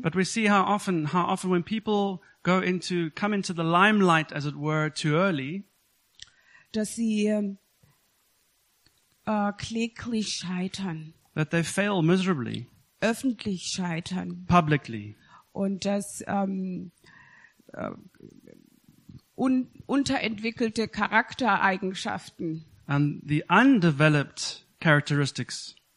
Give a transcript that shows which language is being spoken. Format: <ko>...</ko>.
<en>But we see how often when people come into the limelight, as it were, too early,</en> <de>dass sie kläglich scheitern,</de> <en>that they fail miserably,</en> <de>öffentlich scheitern,</de> <en>publicly,</en> <de>und dass unterentwickelte Charaktereigenschaften,</de> <en>and the undeveloped characteristics,</en>